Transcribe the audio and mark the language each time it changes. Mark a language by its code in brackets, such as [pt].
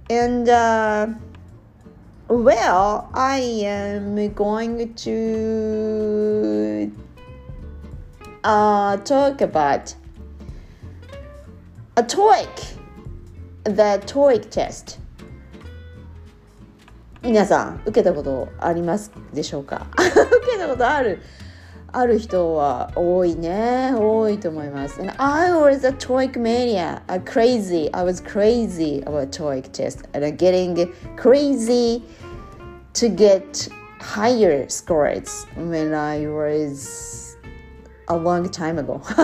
[en] And, well, I am going to talk about a TOEIC, the TOEIC test. [ja] 皆さん、受けたことありますでしょうか？受けたことある。ある人は多いね、多いと思います。 [en] And I was a TOEIC mania, a crazy. I was crazy about TOEIC test and getting crazy to get higher scores when I was a long time ago.